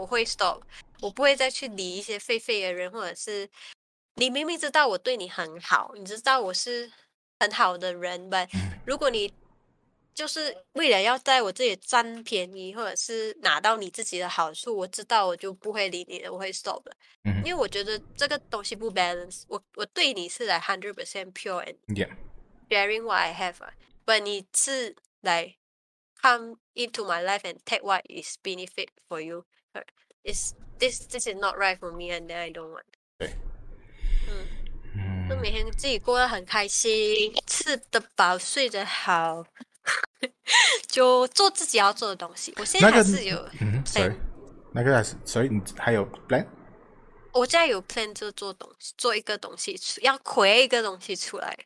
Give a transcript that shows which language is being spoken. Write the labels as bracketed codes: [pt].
[zh] 我会 stop， 我不会再去理一些废废的人，或者是你明明知道我对你很好，你知道我是很好的人，但如果你就是为了要在我这里占便宜，或者是拿到你自己的好处，我知道我就不会理你了，我会 stop 了。嗯，因为我觉得这个东西不 [en] balance， [zh] 我对你是来 [en] 100% pure and sharing what I have， but [zh] 你是来 [en] come into my life and take what is benefit for you， is this is not right for me and then I don't want。 [zh] 对，就每天自己过得很开心，吃得饱，睡得好，就做自己要做的东西。我现在还是有 plan，那个，sorry， 那个，所以你还有 plan？我现在有 plan， 就做东西，做一个东西，要 create 一个东西出来。